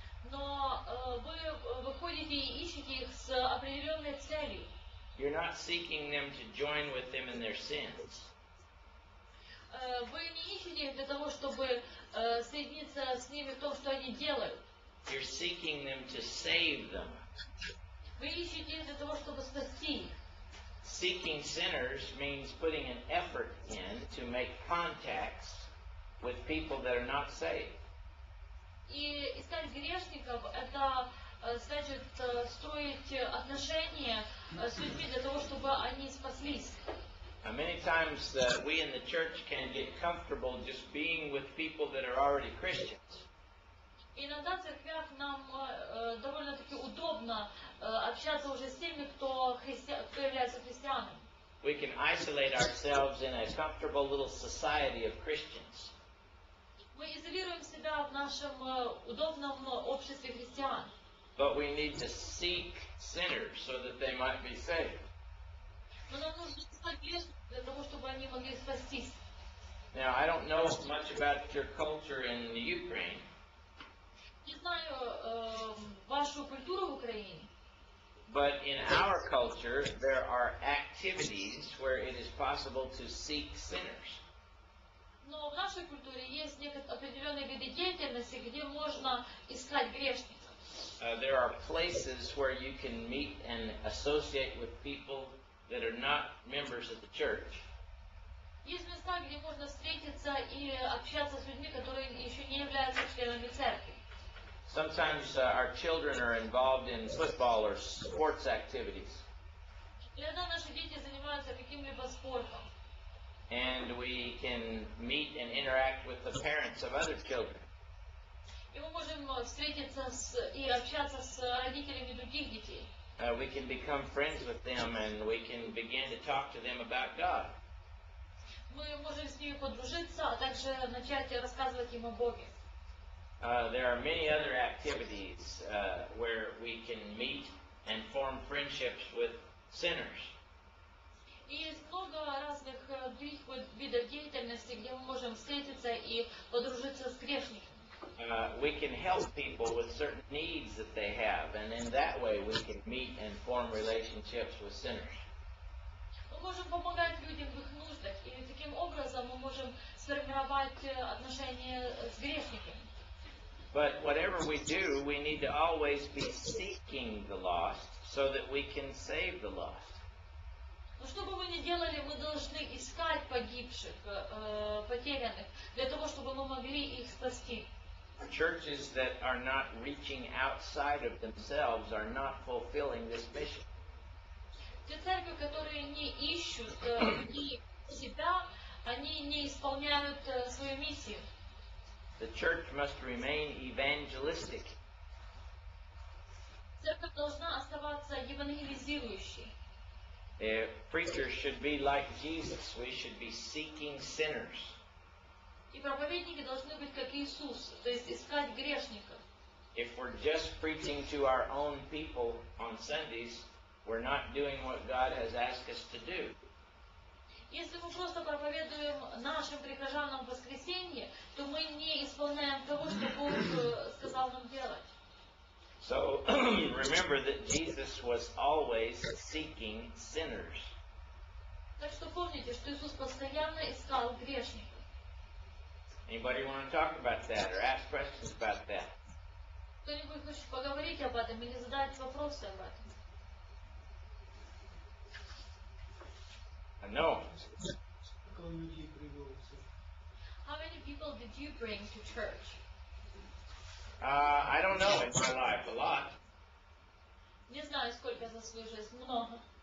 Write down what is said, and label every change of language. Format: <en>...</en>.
<ru>Но вы выходите и ищете их с определенной целью.</ru> <en>You're not seeking them to join with them in their sins.</en> <ru>Вы не ищете их для того, чтобы соединиться с ними в том, что они делают.</ru> <en>You're seeking them to save them.</en> <ru>Вы ищете их для того, чтобы спасти их.</ru> <en>Seeking sinners means putting an effort in to make contacts with people that are not saved.</en> <ru>И искать грешников — это значит строить отношения с людьми для того, чтобы они спаслись.</ru> <en>Many times we in the church can get comfortable just being with people that are already Christians.</en> <ru>Иногда в церквях нам довольно-таки удобно общаться уже с теми, кто является христианом.</ru> <en>We can isolate ourselves in a comfortable little society of Christians.</en> <ru>Мы изолируем себя в нашем удобном обществе христиан.</ru> <en>But we need to seek sinners so that they might be saved.</en> <ru>Но нам нужно искать грешников для того, чтобы они могли спастись.</ru> <en>Now, I don't know much about your culture in the Ukraine.</en> <ru>Не знаю вашу культуру в Украине.</ru> <en>But in our culture, there are activities where it is possible to seek sinners.</en> <ru>но в нашей культуре есть некоторые определенные виды деятельности, где можно искать грешников.</ru> <en>There are places where you can meet and associate with people that are not members of the church.</en> <ru>Есть места, где можно встретиться и общаться с людьми, которые еще не являются членами церкви.</ru> <en>Sometimes our children are involved in football or sports activities.</en> <ru>Иногда наши дети занимаются каким-либо спортом.</ru> <en>And we can meet and interact with the parents of other children.</en> <ru>И мы можем встретиться с и общаться с родителями других детей.</ru> <en>We can become friends with them and we can begin to talk to them about God.</en> <ru>Мы можем с ними подружиться, а также начать рассказывать им о Боге.</ru> <en>There are many other activities where we can meet and form friendships with sinners.</en> <ru>Есть много разных видов деятельности, где мы можем встретиться и подружиться с грешниками.</ru> <en>We can help people with certain needs that they have, and in that way we can meet and form relationships with sinners.</en> <ru>Мы можем помогать людям в их нуждах, и таким образом мы можем сформировать отношения с грешниками.</ru> <en>But whatever we do, we need to always be seeking the lost so that we can save the lost.</en> <ru>Ну, что бы мы ни делали, мы должны искать погибших, потерянных, для того, чтобы мы могли их спасти.</ru> <en>Churches that are not reaching outside of themselves are not fulfilling this mission.</en> <ru>Те церкви, которые не ищут себя, они не исполняют свою миссию.</ru> <en>The church must remain evangelistic.</en> <ru>Церковь должна оставаться евангелизирующей.</ru> <en>The preacher should be like Jesus. We should be seeking sinners.</en> <ru>И проповедники должны быть как Иисус, то есть искать грешников.</ru> <en>If we're just preaching to our own people on Sundays, we're not doing what God has asked us to do.</en> <ru>Если мы просто проповедуем нашим прихожанам в воскресенье, то мы не исполняем того, что Бог сказал нам делать.</ru> <en>So, remember that Jesus was always seeking sinners.</en> <ru>Так что помните, что Иисус постоянно искал грешников.</ru> <en>Anybody want to talk about that or ask questions about that?</en> <ru>Кто-нибудь хочет поговорить об этом или задать вопросы об этом?</ru> <en>No. How many people did you bring to church? I don't know in my life, a lot.</en> <ru>Не знаю, сколько за свою жизнь, много.</ru>